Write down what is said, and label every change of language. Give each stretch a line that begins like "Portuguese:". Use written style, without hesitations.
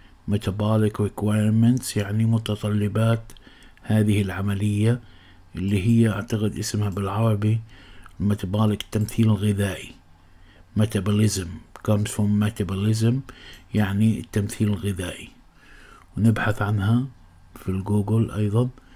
Arabic: Metabolic requirements يعني متطلبات هذه العملية، اللي هي أعتقد اسمها بالعربي Metabolic التمثيل الغذائي.
English: Metabolism comes from metabolism
Arabic: يعني التمثيل الغذائي. ونبحث عنها في الجوجل أيضا.